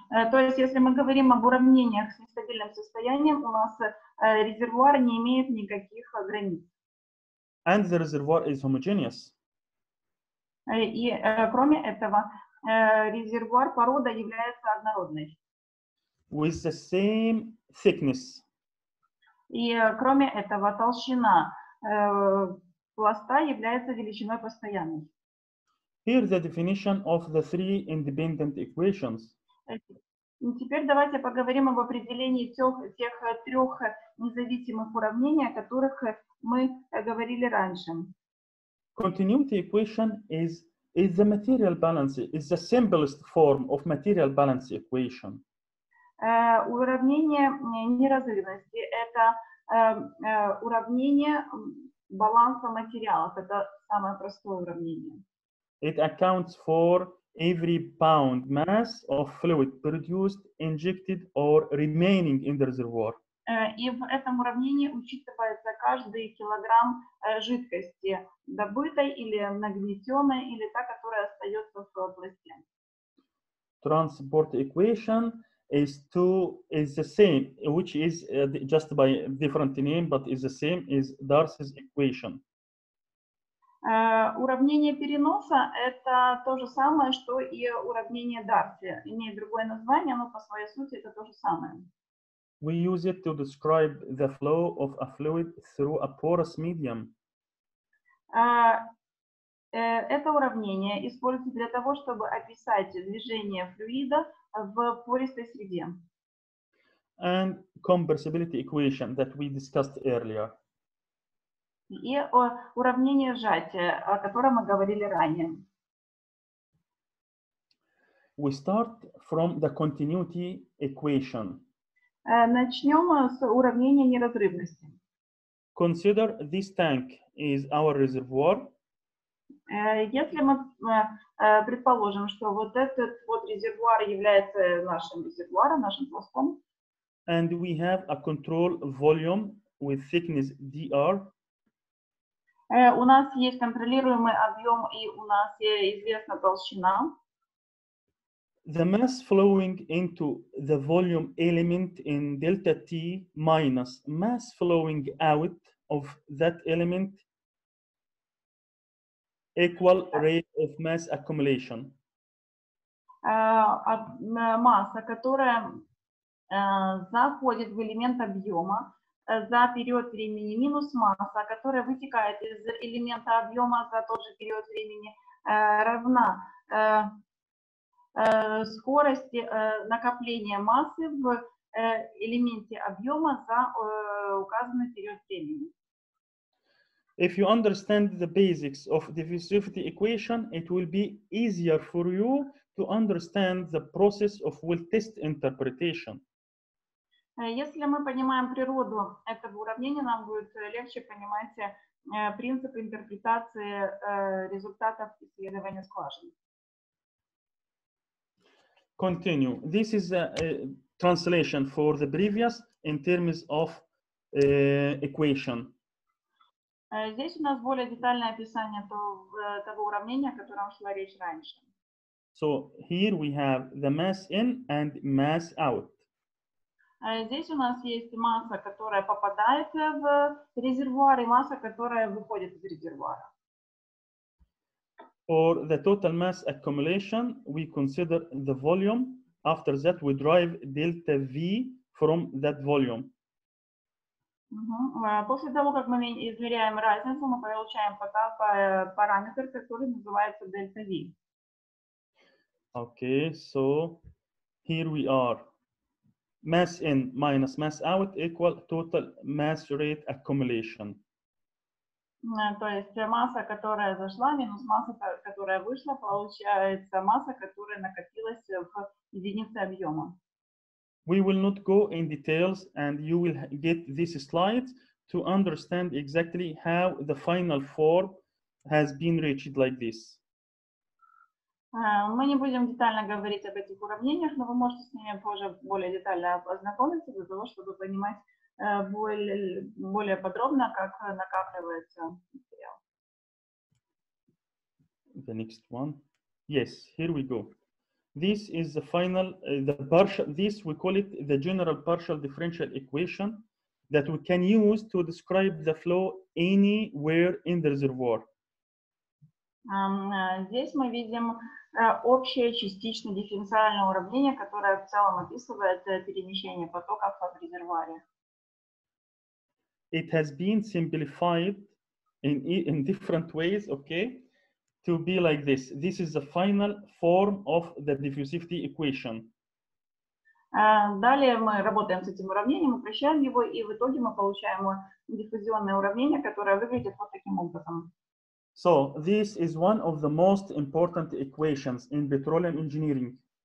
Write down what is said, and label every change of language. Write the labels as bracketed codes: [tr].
[ru] То есть, если мы говорим об уравнениях с нестабильным состоянием, у нас резервуар не имеет никаких границ. [en] And the reservoir is homogeneous. [ru] И кроме этого, резервуар порода является однородной. [en] With the same thickness. [ru] И кроме этого, толщина пласта является величиной постоянной. [en] Here's the definition of the three independent equations. [ru] Теперь давайте поговорим об определении тех трех независимых уравнений, о которых мы говорили раньше. [en] Continuity equation is the material balance, is the simplest form of material balance equation. [ru] Уравнение неразрывности – это уравнение баланса материалов. Это самое простое уравнение. [en] It accounts for every pound mass of fluid produced, injected or remaining in the reservoir. [ru] И в этом уравнении учитывается каждый килограмм жидкости, добытой или нагнетенной, или та, которая остается в пласте. [en] Transport equation is the same, which is just by different name, but is the same, is Darcy's equation. [ru] Уравнение переноса – это то же самое, что и уравнение Дарси. Имеет другое название, но по своей сути это то же самое. [en] We use it to describe the flow of a fluid through a porous medium. [ru] Это уравнение используется для того, чтобы описать движение флюида в пористой среде. [en] And compressibility equation that we discussed earlier. [ru] И уравнение сжатия, о котором мы говорили ранее. [en] We start from the continuity equation. [ru] Начнем с уравнения неразрывности. [en] Consider this tank is our reservoir. [ru] Если мы предположим, что вот этот вот резервуар является нашим резервуаром, нашим плоском. [en] And we have a control volume with thickness dr. [ru] У нас есть контролируемый объем и у нас известна толщина. [en] The mass flowing into the volume element in delta T minus mass flowing out of that element equal rate of mass accumulation. [ru] Масса, которая заходит в элемент объема, за период времени минус масса, которая вытекает из элемента объема за тот же период времени, равна скорости накопления массы в элементе объема за указанный период времени. [en] If you understand the basics of the diffusivity equation, it will be easier for you to understand the process of well-test interpretation. [ru] Если мы понимаем природу этого уравнения, нам будет легче понимать принцип интерпретации результатов исследования скважины. [en] Continue. This is a translation for the previous in terms of equation. [ru] Здесь у нас более детальное описание того уравнения, о котором шла речь раньше. [en] So here we have the mass in and mass out. [ru] Здесь у нас есть масса, которая попадает в резервуар, и масса, которая выходит из резервуара. [en] For the total mass accumulation, we consider the volume. After that, we drive delta V from that volume. [ru] После того, как мы измеряем разницу, мы получаем параметр, который называется delta V. [en] Okay, so here we are. Mass in minus mass out equal total mass rate accumulation. [ru] То есть масса, которая зашла, минус масса, которая вышла, получается масса, которая накопилась в единице объема. [en] We will not go in details and you will get this slide to understand exactly how the final form has been reached like this. [ru] Мы не будем детально говорить об этих уравнениях, но вы можете с ними позже более детально ознакомиться для того, чтобы понимать более подробно, как накапливается материал. [en] The next one. Yes, here we go. This is the final, the partial, this we call it the general partial differential equation that we can use to describe the flow anywhere in the reservoir. [ru] Здесь мы видим общее частичное дифференциальное уравнение, которое в целом описывает перемещение потоков в резервуаре. [en] It has been simplified in different ways, okay? To be like this. This is the final form of the diffusivity equation. [ru] Далее мы работаем с этим уравнением, упрощаем его, и в итоге мы получаем диффузионное уравнение, которое выглядит вот таким образом. [en] So, this is one of the most important equations in petroleum engineering.